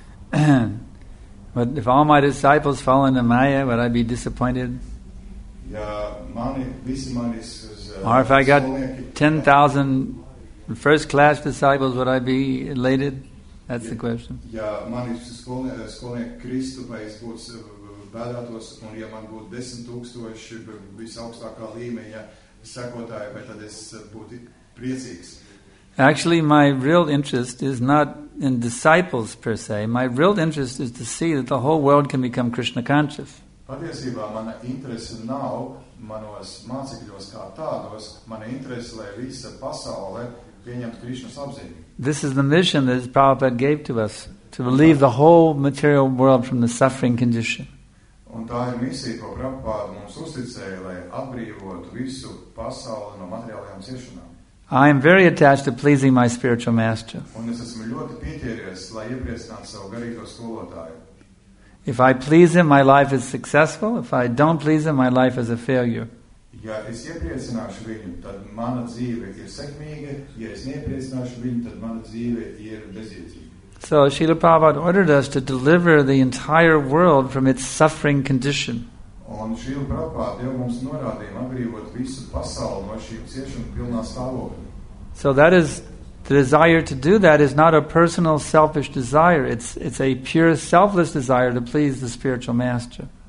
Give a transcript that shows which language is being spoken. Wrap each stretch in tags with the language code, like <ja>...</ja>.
<en>But if all my disciples fall into Maya, would I be disappointed? Or if I got 10,000 first class disciples, would I be elated? That's the question.</en> <lv>Ja man ir skolnieki Kristu, vai es būtu bēdātos, un ja man būtu 10,000 visaugstākā līmeņa sekotāji, vai tad es būtu priecīgs?</lv> <en>Actually, my real interest is not in disciples per se. My real interest is to see that the whole world can become Krishna conscious.</en> <lv>Patiesībā mana interese nav manos mācekļos kā tādos, mana interese, lai visa pasaule pieņemtu Krišnas apziņu.</lv> <en>This is the mission that Prabhupada gave to us, to relieve the whole material world from the suffering condition.</en> <lv>Un tā ir misija, ko Prabhupada mums uzticēja, lai atbrīvotu visu pasauli no materiālajām ciešanām.</lv> <en>I am very attached to pleasing my spiritual master.</en> <lv>Un es esmu ļoti pieķēries, lai iepriecinātu savu garīgo skolotāju.</lv> <en>If I please him, my life is successful. If I don't please him, my life is a failure.</en> <lv>Ja es iepriecināšu viņu, tad mana dzīve ir sekmīga. Ja es neiepriecināšu viņu, tad mana dzīve ir bezjēdzīga.</lv> <en>So Srila Prabhupada ordered us to deliver the entire world from its suffering condition.</en> <lv>Un Srila Prabhupada jau mums norādīja atbrīvot visu pasauli no šī ciešanu pilnā stāvokļa.</lv> <en>So that is the desire to do that is not a personal selfish desire. It's a pure selfless desire to please the spiritual master.</en>